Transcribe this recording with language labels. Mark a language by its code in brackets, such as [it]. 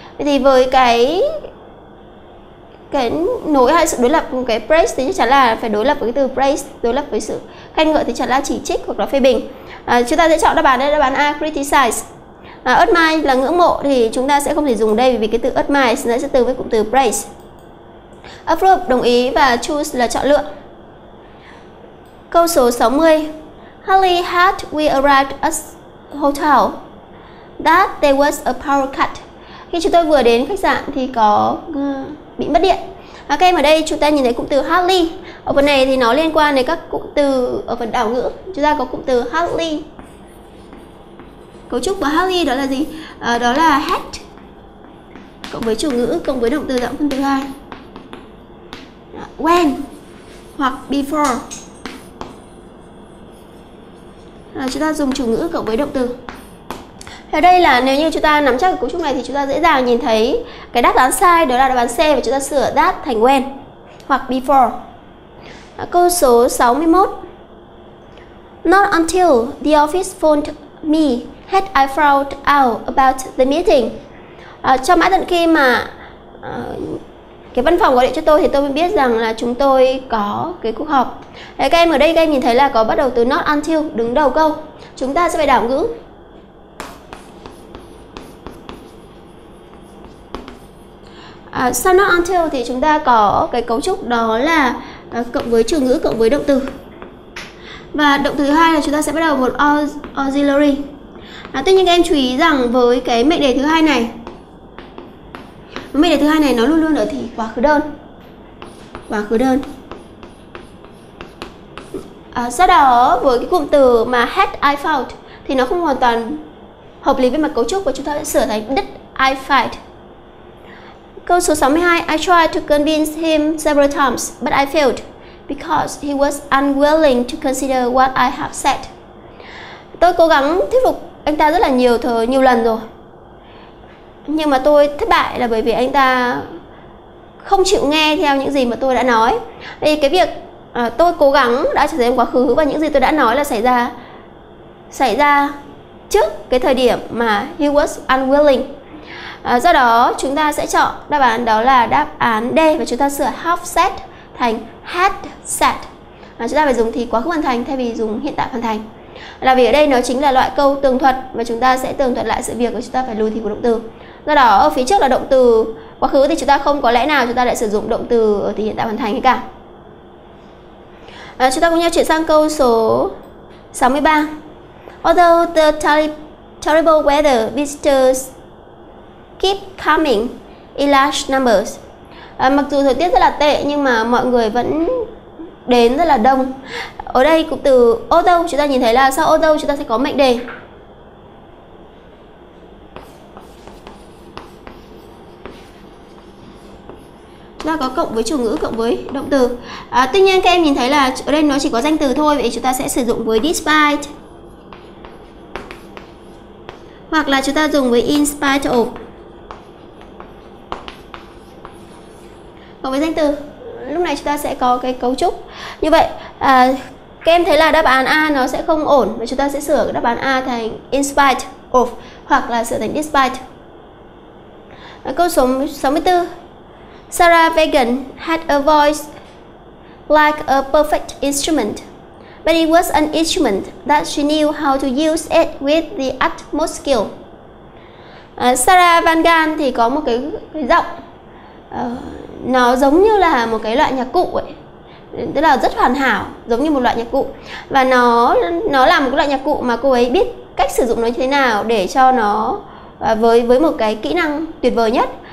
[vi] Thì với cái nối hai sự đối lập, cái praise thì chắc chắn là phải đối lập với cái từ praise, đối lập với sự khen ngợi thì chắc là chỉ trích hoặc là phê bình. Chúng ta sẽ chọn đáp án đây, đáp án A, criticize. Admire là ngưỡng mộ thì chúng ta sẽ không thể dùng đây vì cái từ admire nó sẽ tương với cụm từ praise. Approve đồng ý và choose là chọn lựa. Câu số 60. [en] Hardly had we arrived at the hotel that there was a power cut. [vi] Khi chúng tôi vừa đến khách sạn thì có bị mất điện. Các em ở đây chúng ta nhìn thấy cụm từ hardly. Ở phần này thì nó liên quan đến các cụm từ ở phần đảo ngữ. Chúng ta có cụm từ hardly. Cấu trúc của hardly đó là gì? Đó là had cộng với chủ ngữ cộng với động từ giọng phân từ hai. [en] When hoặc before. [vi] Chúng ta dùng chủ ngữ cộng với động từ. Ở đây là nếu như chúng ta nắm chắc cấu trúc này thì chúng ta dễ dàng nhìn thấy cái đáp án sai, đó là đáp án C, và chúng ta sửa that thành when hoặc before. Câu số 61. [en] Not until the office phoned me had I found out about the meeting. [vi] Cho mãi tận khi mà cái văn phòng gọi điện cho tôi thì tôi mới biết rằng là chúng tôi có cái cuộc họp. Đấy, các em ở đây các em nhìn thấy là có bắt đầu từ not until đứng đầu câu. Chúng ta sẽ phải đảo ngữ. Sau not until thì chúng ta có cái cấu trúc đó là cộng với chủ ngữ cộng với động từ. Và động từ hai là chúng ta sẽ bắt đầu một auxiliary. Tuy nhiên các em chú ý rằng với cái mệnh đề thứ hai này, mệnh đề thứ hai này nó luôn luôn ở thì quá khứ đơn. Quá khứ đơn. Sau đó với cái cụm từ mà [en] had I found [vi] thì nó không hoàn toàn hợp lý với mặt cấu trúc, và chúng ta sẽ sửa thành [en] did I find. [vi] Câu số 62. [en] I tried to convince him several times, but I failed because he was unwilling to consider what I have said. [vi] Tôi cố gắng thuyết phục anh ta rất là nhiều lần rồi, nhưng mà tôi thất bại là bởi vì anh ta không chịu nghe theo những gì mà tôi đã nói. Vì cái việc tôi cố gắng đã trở thành quá khứ, và những gì tôi đã nói là xảy ra trước cái thời điểm mà [en] he was unwilling. [vi] Do đó chúng ta sẽ chọn đáp án đó là đáp án D, và chúng ta sửa have said thành had said. Chúng ta phải dùng thì quá khứ hoàn thành thay vì dùng hiện tại hoàn thành. Là vì ở đây nó chính là loại câu tường thuật, và chúng ta sẽ tường thuật lại sự việc, và chúng ta phải lùi thì của động từ. Do đó ở phía trước là động từ quá khứ thì chúng ta không có lẽ nào chúng ta lại sử dụng động từ ở thì hiện tại hoàn thành hay cả. Chúng ta cùng nhau chuyển sang câu số 63. [en] Although the terrible weather visitors keep coming in large numbers. [vi] Mặc dù thời tiết rất là tệ nhưng mà mọi người vẫn đến rất là đông. Ở đây cụm từ although chúng ta nhìn thấy là sau although chúng ta sẽ có mệnh đề. Chúng ta có cộng với chủ ngữ cộng với động từ. Tuy nhiên các em nhìn thấy là ở đây nó chỉ có danh từ thôi, vậy chúng ta sẽ sử dụng với despite. Hoặc là chúng ta dùng với in spite of. Cộng với danh từ, lúc này chúng ta sẽ có cái cấu trúc như vậy. Các em thấy là đáp án A nó sẽ không ổn, và chúng ta sẽ sửa đáp án A thành in spite of, hoặc là sửa thành despite. Câu số 64. [en] Sarah Vaughan had a voice like a perfect instrument, but it was an instrument that she knew how to use it with the utmost skill. [vi] Sarah Vaughan thì có một cái giọng nó giống như là một cái loại nhạc cụ ấy, tức là rất hoàn hảo, giống như một loại nhạc cụ. Và nó là một loại nhạc cụ mà cô ấy biết cách sử dụng nó như thế nào để cho nó với một cái kỹ năng tuyệt vời nhất.